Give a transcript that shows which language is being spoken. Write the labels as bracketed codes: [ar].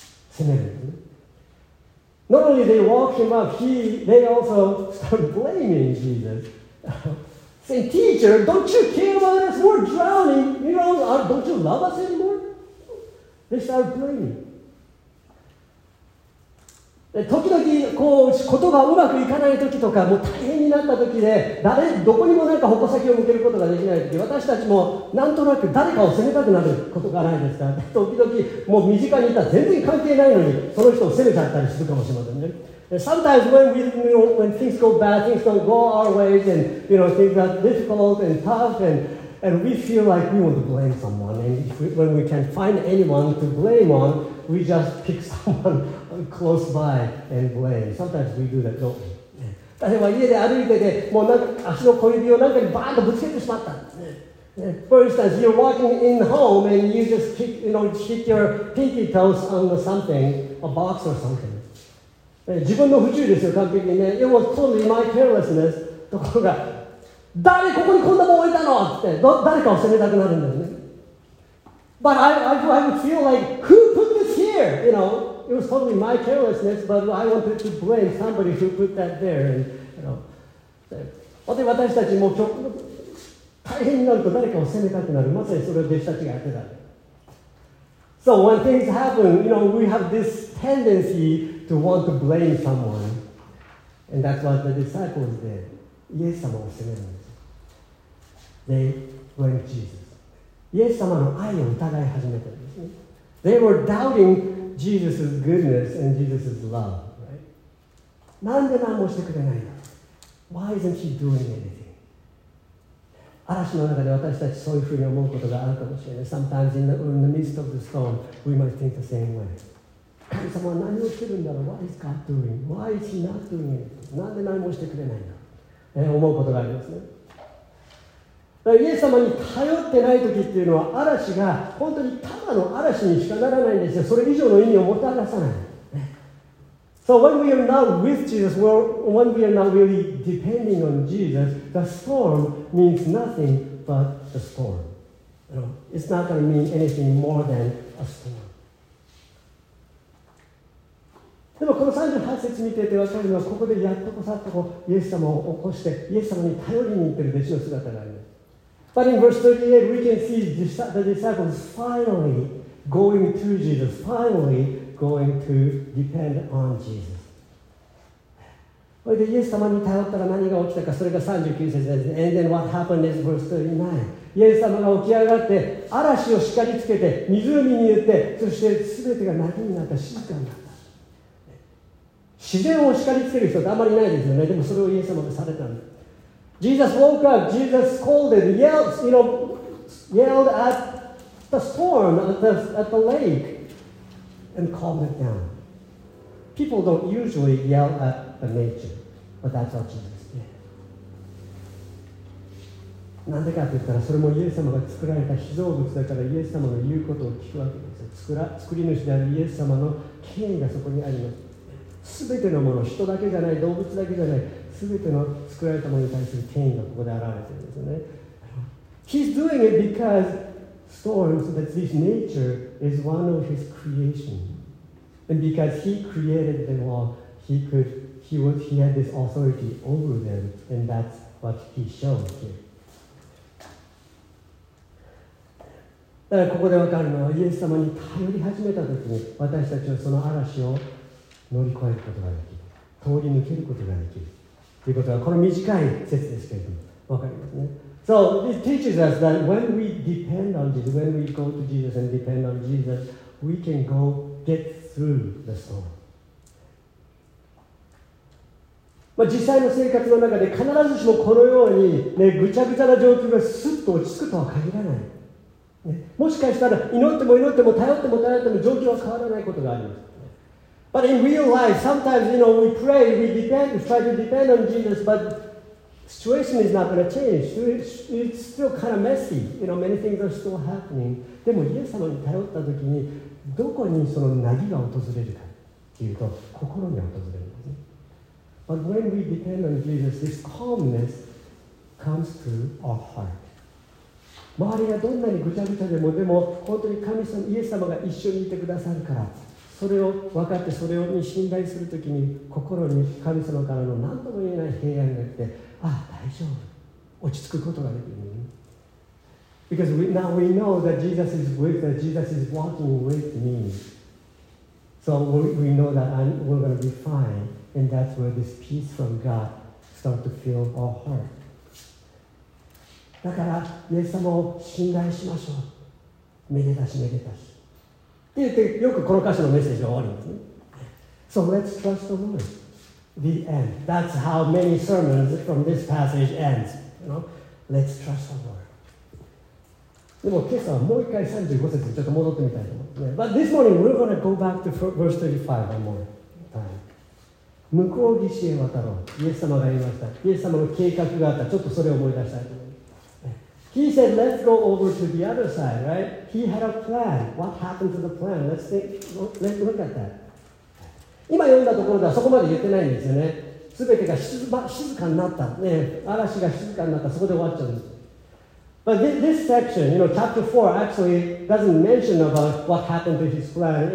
[ja] 責める。 [en] Not only they walk him up, they also start blaming Jesus. Saying, teacher, don't you care about us? We're drowning. You know, don't you love us anymore? They start blaming. [ja] 時々こう、ことがうまくいかない時とか、もう大変になった時で、誰、どこにもなんか矛先を向けることができない時、私たちもなんとなく誰かを責めたくなることがないですから、時々もう身近にいたら全然関係ないのに、その人を責めちゃったりするかもしれませんね。 [en] Sometimes when things go bad, things don't go our ways, and you know, things are difficult and tough, and we feel like we want to blame someone, and when we can't find anyone to blame on, we just pick someone close by and blame. Sometimes we do that, don't we? [ja] 例えば家で歩いてて、もうなんか足の小指をなんかにバーンとぶつけてしまった。 [en] For instance, you're walking in home and you just kick, you know, hit your pinky toes on something, a box or something. [ja] 自分の不注意ですよ、完璧にね。 [en] It was totally my carelessness. [ja] ところが、誰ここにこんなもん置いたのって、誰かを責めたくなるんだよね。 [en] But I would feel like, who put this here? You know? It was totally my carelessness, but I wanted to blame somebody who put that there. And, you know, [ja] 私たちも大変になると誰かを責めたくなる。まさにそれを弟子たちがやってた。 [en] So when things happen, you know, we have this tendency to want to blame someone. And that's what the disciples did. [ja] イエス様を責めるんです。 [en] They blamed Jesus. [ja] イエス様の愛を疑い始めたんですね。 [en] They were doubting. Jesus' goodness and Jesus' love, right? [ja] なんで何もしてくれないの? [en] Why isn't he doing anything? [ja] 嵐の中で私たちそういうふうに思うことがあるかもしれない。 [en] Sometimes in the midst of the storm, we might think the same way. [ja] 神様は何をしてるんだろう [en] ?What is God doing?Why is he not doing it? [ja] なんで何もしてくれないんだ、思うことがありますね。だからイエス様に頼ってない時っていうのは嵐が本当にただの嵐にしかならないんですよ。それ以上の意味をもたらさない。 [en] So when we are not with Jesus, when we are not really depending on Jesus, the storm means nothing but the storm. You know, it's not going to mean anything more than a storm. [ja] でもこの38節見てて分かるのは、ここでやっとこさっとこイエス様を起こして、イエス様に頼りに行ってる弟子の姿があります。 [en] But in verse 38, we can see the disciples finally going to Jesus, finally,going to depend on Jesus. [ja] それでイエス様に頼ったら何が起きたか、それが39節です。 [en] And then what happened is verse 39. [ja] イエス様が起き上がって、嵐を叱りつけて、湖に言って、そして全てが泣きになった、静かになった。自然を叱りつける人ってあんまりないですよね。でもそれをイエス様がされたんだ。 [en] Jesus woke up, Jesus called and yelled at the storm, at the lake. And calm it down. People don't usually yell at the nature, but that's what Jesus did. [ja] なんでかって言ったら、それもイエス様が作られた被造物だから、イエス様の言うことを聞くわけです。作り主であるイエス様の権威がそこにあります。すべてのもの、人だけじゃない、動物だけじゃない、すべての作られたものに対する権威がここで現れているんですよね。 [en] He's doing it because. Storms, that this nature is one of his creation. And because he created them all, he had this authority over them, and that's what he showed here. [ja] だからここで分かるのは、イエス様に頼り始めたときに、私たちはその嵐を乗り越えることができる。通り抜けることができる。ということは、この短い説ですけれども、分かりますね。 [en] So this teaches us that when we depend on Jesus, when we go to Jesus and depend on Jesus, we can go get through the storm. [ja] まあ実際の生活の中で必ずしもこのようにね、ぐちゃぐちゃな状況がスッと落ち着くとは限らない。ね、もしかしたら祈っても頼っても頼っても状況は変わらないことがあります。 [en] But in real life, sometimes, you know, we pray, we depend, try to depend on Jesus, butSituation is not going to change. It's still kind of messy. You know, many things are still happening. [ja] でもイエス様に頼った時にどこにその凪が訪れるかというと心に訪れるんですね。 [en] But when we depend on Jesus, this calmness comes to our heart. [ja] 周りがどんなにぐちゃぐちゃでもでも本当に神様、イエス様が一緒にいてくださるからそれを分かってそれに信頼するときに心に神様からの何とも言えない平安が来て大丈夫落ち着くことができる、ね、 [en] Because now we know that Jesus is with us, Jesus is walking with me. So we know that we're going to be fine and that's where this peace from God starts to fill our heart. [ja] だからイエス様を信頼しましょう。めでたしめでたしって言ってよくこの歌詞のメッセージが終わるんですね。 [en] So let's trust the Lord. The end. That's how many sermons from this passage ends. You know, let's trust the Lord. [ja] でも今朝はもう一回35節にちょっと戻ってみたいと思います。 [en] But this morning we're going to go back to verse 35 one more time. [ja] 向こう岸へ渡ろう。イエス様が言いました。イエス様の計画があった。ちょっとそれを思い出したいと思います。 [en] He said, let's go over to the other side, right? He had a plan. What happened to the plan? Let's look at that. [ja] 今読んだところではそこまで言ってないんですよね。すべてが静かになった、ね。嵐が静かになった。そこで終わっちゃうんです。 [en] But this section, you know, chapter 4 actually doesn't mention about what happened to his plan.